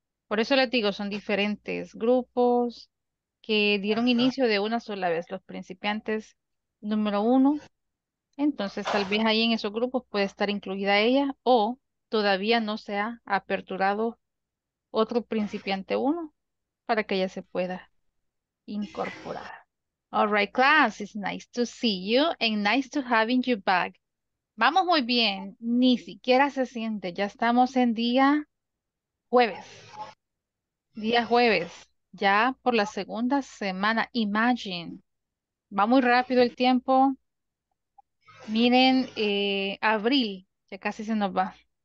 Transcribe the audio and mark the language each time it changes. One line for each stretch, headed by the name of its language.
Spanish: Por eso les digo, son diferentes grupos que dieron inicio de una sola vez, los principiantes número 1. Entonces, tal vez ahí en esos grupos puede estar incluida ella o todavía no se ha aperturado otro principiante 1 para que ella se pueda incorporar.
English: All right, class, it's nice to see you and nice to having you back.
Spanish: Vamos muy bien, ni siquiera se siente, ya estamos en día jueves. Día jueves, ya por la segunda semana. Imagine, va muy rápido el tiempo. Miren, abril, ya casi se nos va.